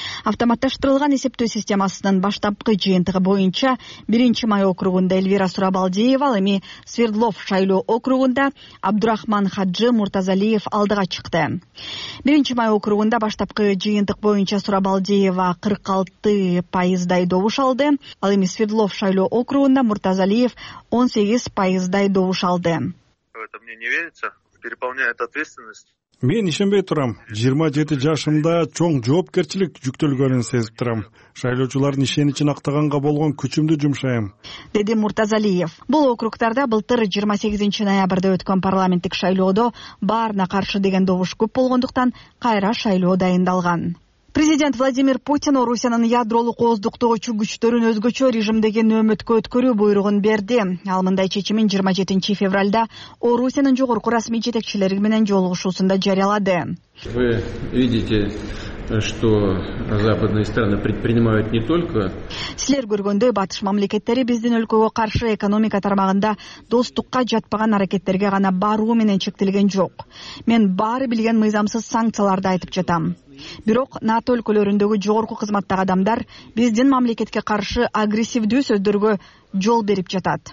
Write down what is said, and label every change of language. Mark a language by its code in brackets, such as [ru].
[ky] Автоматташтырылган эсептөө системасынын баштапкы жыйынтыгы боюнча 1-май округунда Эльвира Сурабалдиева, ал эми Свердлов шайлоо округунда Абдурахман Хаджи Муртазалиев алдыга чыкты. 1-май округунда баштапкы жыйынтык боюнча Сурабалдиева 46% добуш алды, ал эми Свердлов шайлоо округунда Муртазалиев 18% добуш алды. [ru] Это мне не верится, переполняет ответственность. [ky] Мен ишенбей турам. 27 жашымда чоң жоопкерчилик жүктөлгөнүн сезип турам. Шайлоочулардын ишеничин актаганга болгон күчүмдү жумшайм, деди Муртазалиев. Бул округдарда былтыр 28-ноябрда өткөн парламенттик шайлоодо баарына каршы деген добуш көп болгондуктан кайра шайлоо дайындалган. Президент Владимир Путин Орусиянын ядролук ооздуктоочу күчтөрүн өзгөчө режимдеги нөөмөткө өткөрүү буйругун берди. Ал мындай чечимин 27-февралда Орусиянын жогорку расмий жетекчилери менен жолугушуусунда жарыялады. [ru] Вы видите, что западные страны предпринимают не только. [ky] Силер көргөндөй батыш мамлекеттери биздин өлкөгө каршы экономика тармагында достукка жатпаган аракеттерге гана баруу менен чектелген жок. Мен баары билген мыйзамсыз санкцияларды айтып жатам. Бирок НАТО өлкөлөрүндөгү жогорку кызматтагы адамдар биздин мамлекетке каршы агрессивдүү сөздөргө жол берип жатат.